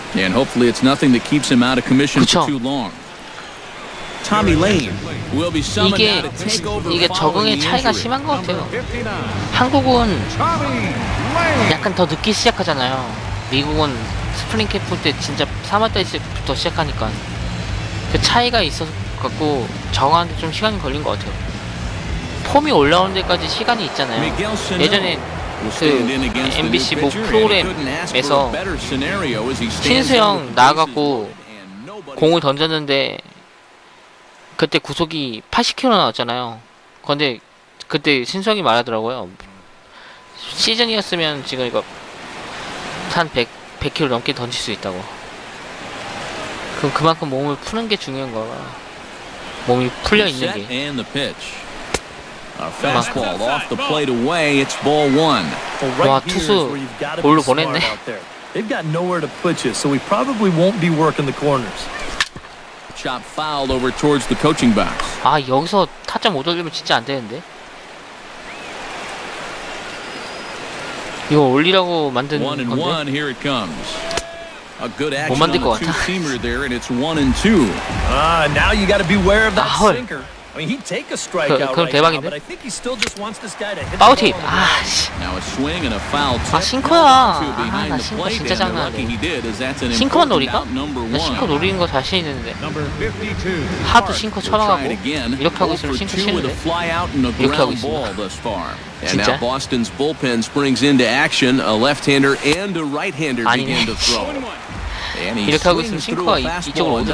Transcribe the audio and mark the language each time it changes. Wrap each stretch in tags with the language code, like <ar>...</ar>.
<en>And hopefully it's nothing that keeps him out of commission for too long. Tommy Lane will be summoned out to take over.</en> <ko>이게 적응의 차이가 심한 것 같아요. 한국은 약간 더 늦게 시작하잖아요. 미국은 스프링 캠프 때 진짜 3월달부터 시작하니까 그 차이가 있어갖고 적응하는데 좀 시간이 걸린 것 같아요. 폼이 올라오는 데까지 시간이 있잖아요. 예전에 그 MBC 뭐 프로그램에서 신수영 나와갖고 공을 던졌는데 그때 구속이 80km 나왔잖아요. 근데 그때 신수영이 말하더라고요. 시즌이었으면 지금 이거 한 100km 넘게 던질 수 있다고. 그럼 그만큼 몸을 푸는 게 중요한 거라. 몸이 풀려 있는 게.</ko> <en>A fastball off the plate away. It's ball one.</en> <ko>Wow, 투수 볼로 보냈네.</ko> <en>They've got nowhere to put you, so we probably won't be working the corners. Chop fouled over towards the coaching box.</en> <ko>아 여기서 타점 못 올리면 진짜 안 되는데. 이거 올리라고 만든 건데.</ko> <en>One and one, here it comes. A good action on the two-seamer there, and it's one and two. Ah, now you got to beware of that sinker. I mean, he'd take a strikeout right now, but I think he still just wants this guy to hit the ball.</en> <ko>아, 싱커야. 아, 싱커 진짜 장난하네. 싱커 놀이가? 나 싱커 노리는 거 자신 있는데. 하도 싱커 쳐나가고 이렇게 하고 있으면 싱커 치는데 이렇게 하고 있습니다.</ko> <en>And now Boston's bullpen springs into action. A left-hander and a right-hander begin to throw.</en> <ko>이렇게 하고 있으면 싱커가 이쪽으로 오는데.</ko>